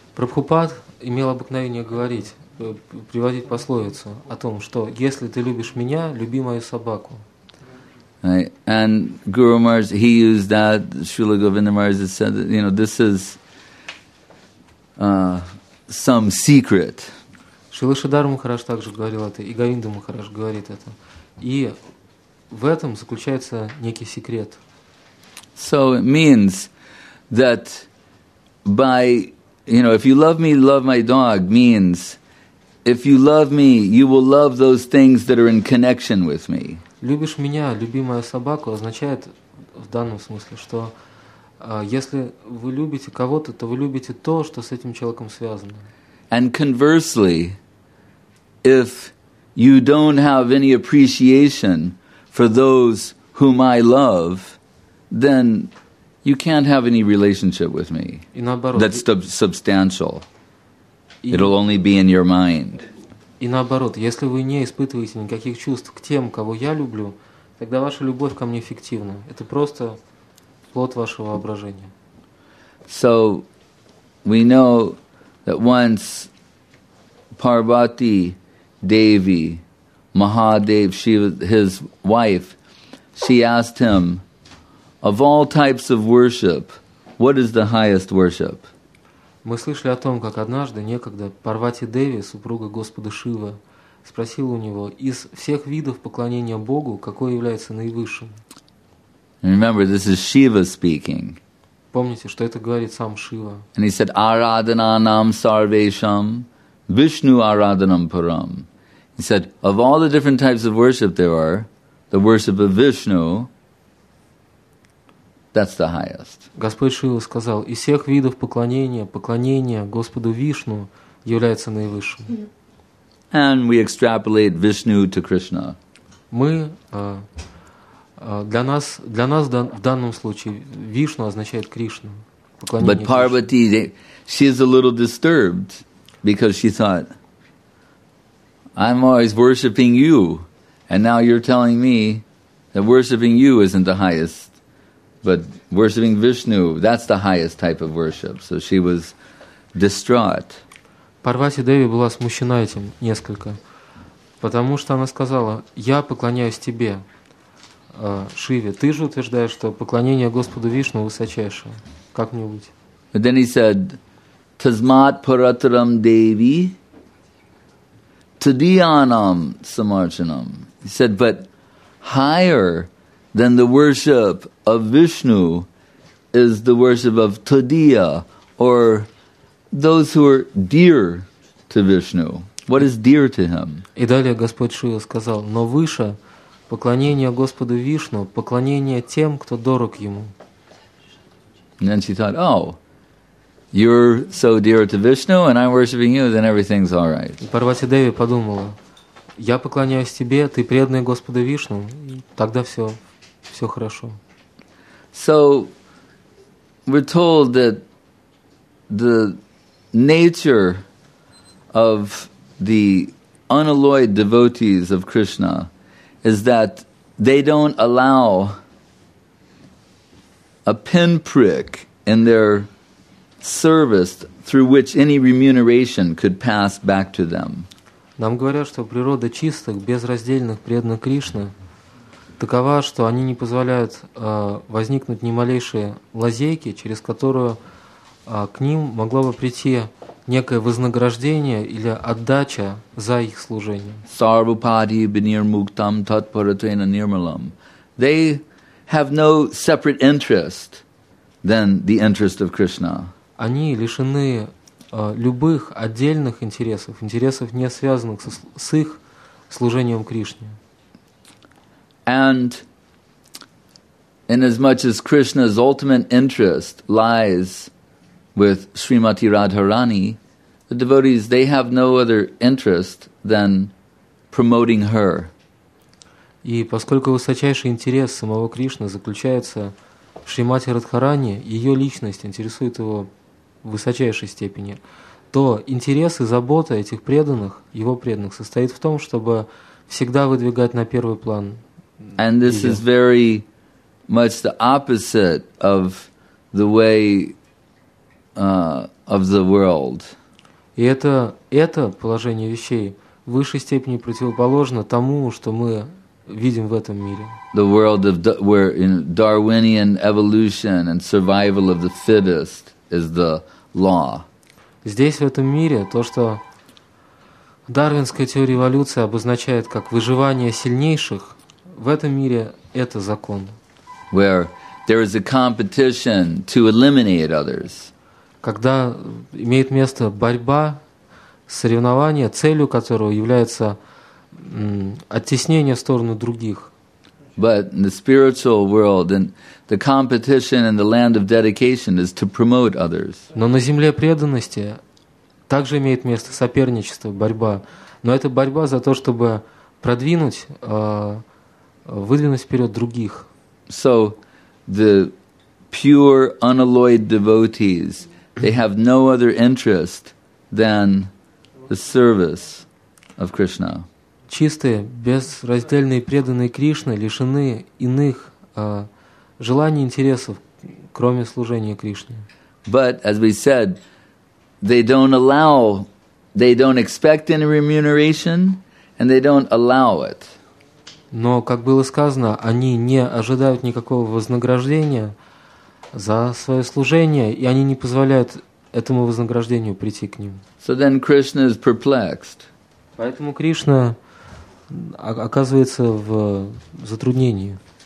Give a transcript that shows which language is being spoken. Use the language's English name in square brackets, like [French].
[Russian] Прабхупад имел обыкновение говорить, приводить пословицу о том, что если ты любишь меня, люби мою собаку. [English] Right. And Guru Maharaj, he used that, Srila Govinda Maharaj said, that, you know, this is some secret. [Russian] Шрила Шридхара Махарадж также говорил это, и Говинда Махарадж говорит это. И в этом заключается некий секрет. [English] So it means that by, you know, if you love me, love my dog, means if you love me, you will love those things that are in connection with me. [Russian] Любишь меня, люби мою собаку, означает в данном смысле, что если вы любите кого-то, то вы любите то, что с этим человеком связано. [English] And conversely, if you don't have any appreciation for those whom I love, then you can't have any relationship with me. [Russian] И наоборот, [English] that's substantial. It'll only be in your mind. [Russian] И наоборот, если вы не испытываете никаких чувств к тем, кого я люблю, тогда ваша любовь ко мне фиктивна. Это просто плод вашего воображения. [English] So we know that once Parvati Devi, Mahadev, she was his wife. She asked him, "Of all types of worship, what is the highest worship?" [Russian] Мы слышали о том, как однажды некогда Парвати Деви, супруга Господа Шивы, спросила у него из всех видов поклонения Богу, какой является наивысшим. [English] Remember, this is Shiva speaking. [Russian] Помните, что это говорит сам Шива. [English] And he said, [Sanskrit] "Aradhana nam sarvesham, Vishnu aradhanam param." [English] He said, of all the different types of worship there are, the worship of Vishnu, that's the highest. [Russian] Господь Шива сказал, из всех видов поклонения, поклонение Господу Вишну является наивысшим. [English] And we extrapolate Vishnu to Krishna. [Russian] Мы, для нас в данном случае Вишну означает Кришну. [English] But Parvati, she is a little disturbed because she thought, I'm always worshiping you, and now you're telling me that worshiping you isn't the highest, but worshiping Vishnu, that's the highest type of worship. So she was distraught. [Russian] Парвати Деви была смущена этим несколько, потому что она сказала, я поклоняюсь тебе, Шиве. Ты же утверждаешь, что поклонение Господу Вишну высочайшее. Как-нибудь. [English] But then he said, [Sanskrit] Tasmat Paratram Devi, Tadiyanam Samarchanam. [English] He said, but higher than the worship of Vishnu is the worship of Tadiya, or those who are dear to Vishnu. What is dear to him? [Russian] И далее Господь Шива сказал, но выше поклонение Господу Вишну, поклонение тем, кто дорог ему. [English] And then she thought, oh, you're so dear to Vishnu, and I'm worshiping you, then everything's all right. [Russian] Парвати Деви подумала, я поклоняюсь тебе, ты преданный Господу Вишну, тогда все хорошо. [English] So, we're told that the nature of the unalloyed devotees of Krishna is that they don't allow a pinprick in their service through which any remuneration could pass back to them. [Russian] Нам говорят, что природа чистых, безраздельных, преданных Кришны такова, что они не позволяют возникнуть ни малейшие лазейки, через которую к ним могло бы прийти некое вознаграждение или отдача за их служение. [Sanskrit] Sarvapadi binirmuktam tatparatena nirmalam. [English] They have no separate interest than the interest of Krishna. [Russian] Они лишены любых отдельных интересов, интересов, не связанных с их служением Кришне. [English] And Inasmuch as Krishna's ultimate interest lies with Srimati Radharani, the devotees, they have no other interest than promoting her. [Russian] И поскольку высочайший интерес самого Кришны заключается в Шримати Радхарани, ее личность интересует его в высочайшей степени, то интерес и забота этих преданных, его преданных, состоит в том, чтобы всегда выдвигать на первый план. [English] And this is very much the opposite of the way of the world. [Russian] И это положение вещей в высшей степени противоположно тому, что мы видим в этом мире. [English] The world of where in Darwinian evolution and survival of the fittest is the law. [Russian] Здесь, в этом мире, то, что дарвинская теория эволюции обозначает как выживание сильнейших, в этом мире это закон. [English] Where there is a competition to eliminate others. [Russian] Когда имеет место борьба, соревнование, целью которого является оттеснение в сторону других. [English] But in the spiritual world and the competition in the land of dedication is to promote others. [Russian] Но на земле преданности также имеет место соперничество, борьба. Но это борьба за то, чтобы выдвинуть вперед других. [English] So the pure unalloyed devotees, they have no other interest than the service of Krishna. [Russian] Чистые, безраздельные, преданные Кришне лишены иных желаний, интересов, кроме служения Кришне. [English] But, as we said, they don't expect any remuneration, and they don't allow it. [Russian] Но, как было сказано, они не ожидают никакого вознаграждения за свое служение, и они не позволяют этому вознаграждению прийти к ним. [English] So then Krishna is perplexed. [Russian] Поэтому Кришна оказывается в затруднении.